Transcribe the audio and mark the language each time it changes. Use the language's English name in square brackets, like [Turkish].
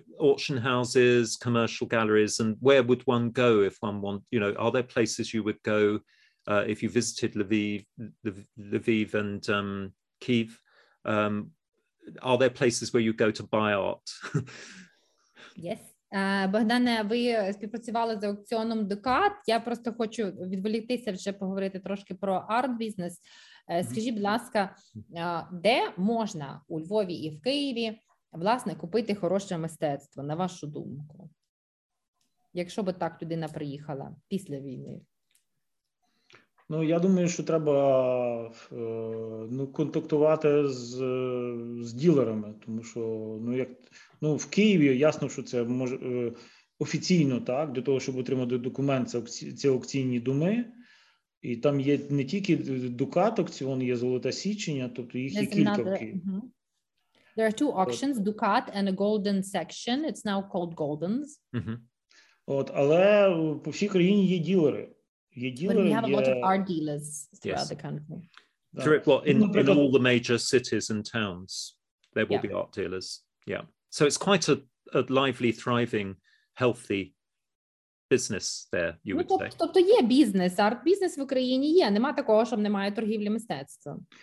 [English] Auction houses, commercial galleries, and where would one go if one want, are there places you would go if you visited Lviv and Kyiv, are there places where you go to buy art? Yes. [Ukrainian] Богдане, ви співпрацювали з аукціоном Дукат. Я просто хочу відволіктися вже поговорити трошки про арт-бізнес. Скажіть, будь ласка, де можна у Львові і в Києві, власне, купити хороше мистецтво, на вашу думку? Якщо би так людина приїхала після війни? Ну, я думаю, що треба контактувати з ділерами, тому що, в Києві ясно, що це може офіційно, так, для того, щоб отримати документ, це аукційні доми. І там є не тільки Дукат аукціон, є Золота Січення, тобто їх є кілька в Києві. [English] There are two auctions, Dukat and a Golden section. It's now called Goldens. Mm-hmm. [Ukrainian] От, але по всій країні є ділери. Є ділери, [English] but we have a lot of art dealers throughout the country. In all the major cities and towns, there will be art dealers. Yeah. So it's quite a lively, thriving, healthy business there, you would say. [Ukrainian] Тобто є бізнес, арт-бізнес в Україні є. Нема такого, щоб немає торгівлі мистецтвом.